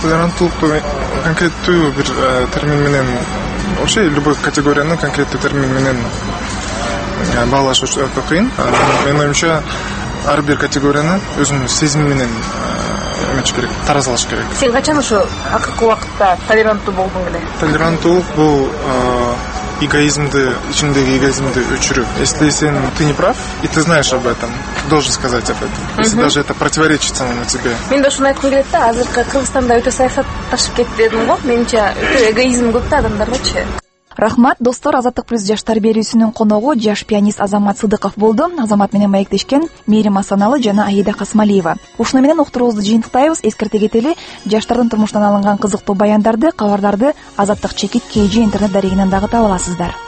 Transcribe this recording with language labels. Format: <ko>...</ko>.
<ky>Толеранттуулукту конкреттүү бир термин менен,</ky> <ru>вообще любой</ru> <ky>категорияны конкреттүү термин менен баалаш өтө кыйын. Менин оюмча ар бир категорияны өзүнүн сезими менен эмечи керек, таразалаш керек. Сен качан ошо акыркы убакытта толеранттуу болгуң келет? Толеранттуулук бул эгоизмди, ичиндеги эгоизмди өчүрүп,</ky> <ru>если сен ты не прав и ты знаешь об этом, ты должен сказать об этом. Если даже это противоречит самому тебе.</ru> <ky>Мен да ошону айткым келет да, азыркы Кыргызстанда өтө саясатташып кетти дедим го, менимче өтө эгоизм көп да адамдардачы. Рахмат достор, Азаттык плюс жаштар берүүсүнүн коногу жаш пианист Азамат Сыдыков болду. Азамат менен маектешкен Мээрим Асаналы жана Аида Касмалиева. Ушуну менен уктуруубузду жыйынтыктайбыз. Эскерте кетели, жаштардын турмуштан алынган кызыктуу баяндарды, кабарларды Азаттык чекит KG интернет дарегинен дагы таба аласыздар.</ky>